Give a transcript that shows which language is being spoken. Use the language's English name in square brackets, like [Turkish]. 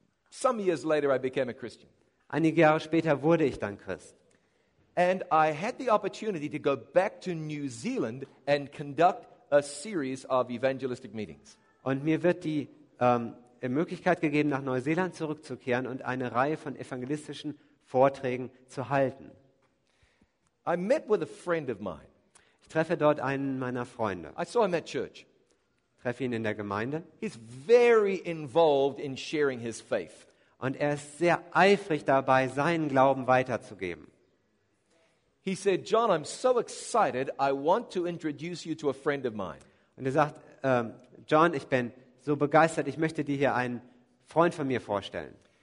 [English] Some years later I became a Christian. [German] Einige Jahre später wurde ich dann Christ. [English] And I had the opportunity to go back to New Zealand and conduct a series of evangelistic meetings. [German] Und mir wird die Möglichkeit gegeben, nach Neuseeland zurückzukehren und eine Reihe von evangelistischen Vorträgen zu halten. [English] I met with a friend of mine. [German] Ich treffe dort einen meiner Freunde. [English] I saw him at church. [German] Treffe ihn in der Gemeinde. [English] He's very involved in sharing his faith. [German] Und er ist sehr eifrig dabei, seinen Glauben weiterzugeben. [English] He said, John, I'm so excited. I want to introduce you to a friend of mine. [German] Und er sagt, John, ich bin so begeistert. Ich möchte dir hier einen Freund von mir vorstellen.